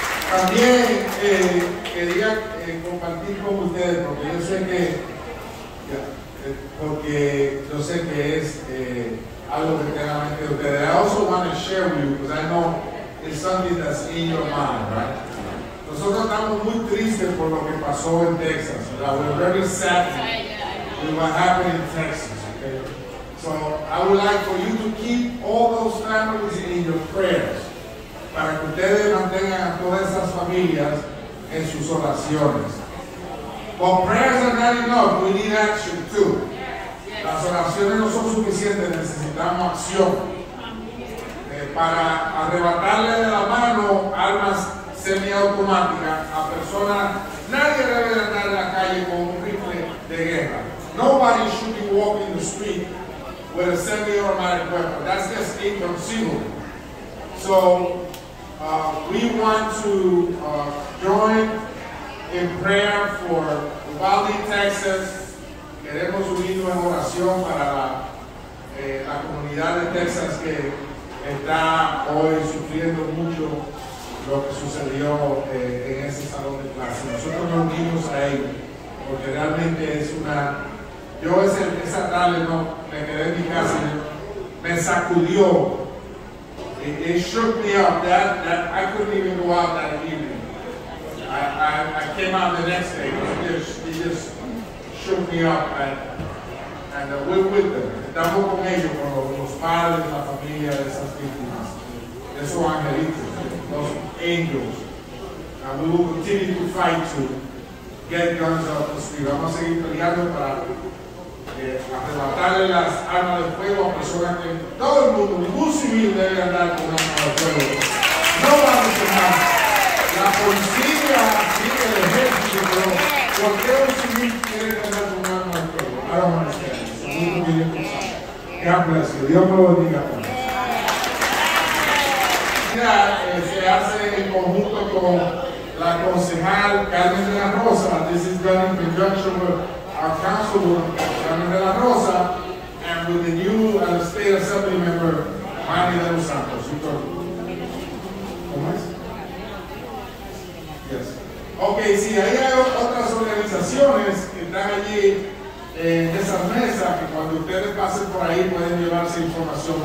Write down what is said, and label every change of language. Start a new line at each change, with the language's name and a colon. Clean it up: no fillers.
Spanish: También quería compartir con ustedes, porque yo sé que porque yo sé que es algo que tenga mente de ustedes.
English: I also want to share with you, because I know it's something that's in your mind, right?
Spanish: Nosotros estamos muy tristes por lo que pasó en Texas.
English: We're very sad with what happened in Texas, okay? So I would like for you to keep all those families in your prayers,
Spanish: para que ustedes mantengan a todas esas familias en sus oraciones.
English: While prayers are not enough, we need action too.
Spanish: Las oraciones no son suficientes, necesitamos acción. Para arrebatarle de la mano armas semiautomáticas a personas, nadie debe andar en la calle con un rifle de guerra.
English: Nobody should be walking the street with a semi-automatic weapon. That's just inconceivable. So, we want to join in prayer for Uvalde, Texas.
Spanish: Queremos unirnos en oración para la comunidad de Texas que está hoy sufriendo mucho lo que sucedió en ese salón de clase. Nosotros nos unimos a él, porque realmente es una... Yo esa tarde no me quedé en mi casa, me sacudió.
English: It shook me up, that I couldn't even go out that evening. I came out the next day, because he just shook me up, and we're with them.
Spanish: Estamos con ellos, con los padres, la familia de esas víctimas, de esos angelitos, los angels.
English: And we will continue to fight to get guns off the street.
Spanish: Vamos a seguir peleando para arrebatarle las armas de fuego a personas que todo el mundo, ningún civil debe andar con armas de fuego. No vamos a más. La policía sigue el ejército, pero ¿por qué un civil quiere andar con armas de fuego? Ahora vamos a hacer.
English: God bless you.
Spanish: Dios me lo bendiga. Mira, se hace en conjunto con la concejal Carmen de la Rosa.
English: This is done in conjunction with our councilwoman Carmen de la Rosa and with the new state assembly member Manny de los Santos.
Spanish: ¿Cómo es?
English: Yes.
Spanish: Ok, sí, ahí hay otras organizaciones que están allí en esas mesas, que cuando ustedes pasen por ahí pueden llevarse información.